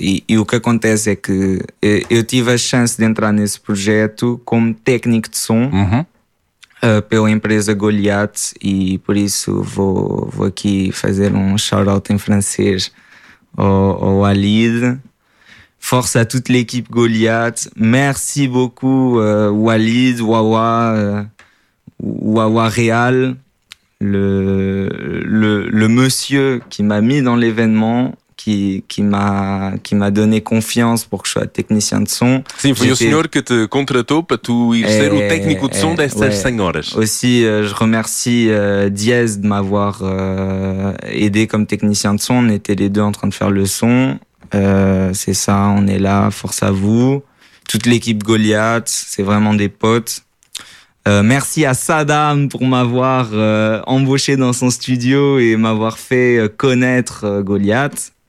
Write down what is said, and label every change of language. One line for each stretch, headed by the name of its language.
Portuguese: E o que acontece é que eu tive a chance de entrar nesse projeto como técnico de som. Pela empresa Goliath, e por isso vou aqui fazer um shout-out em francês ao Walid.
French: Força à toute l'équipe Goliath. Merci beaucoup, Walid, Wawa Real, le monsieur qui m'a mis dans l'événement, qui m'a donné confiance pour que je sois technicien de son.
Portuguese: Sim, foi o senhor que te contratou para tu ir ser o técnico de som destas 100 horas.
French: Aussi, je remercie Diaz de m'avoir aidé comme technicien de son. On était les deux en train de faire le son. C'est ça, on est là, force à vous. Toute l'équipe Goliath, c'est vraiment des potes. Merci à Saddam pour m'avoir embauché dans son studio et m'avoir fait connaître Goliath.